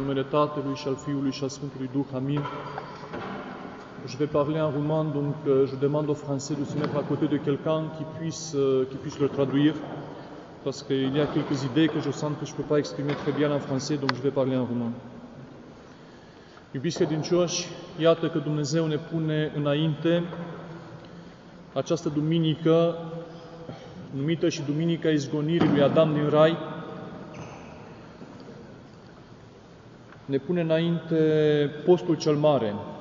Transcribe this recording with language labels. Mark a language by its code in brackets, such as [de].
[ro] Tatălui și al Fiului și al Sfântului Duh. Amin. [fr] Je vais parler en roman, donc je demande aux Français de se mettre à côté de quelqu'un qui puisse le traduire, parce qu'il y a quelques idées que je sens que je ne peux pas exprimer très bien en français, donc je vais parler en roman. [ro] Iubiți credincioși, iată că Dumnezeu ne pune înainte Această duminică, numită și Duminica Izgonirii lui Adam din Rai, ne pune înainte postul cel mare.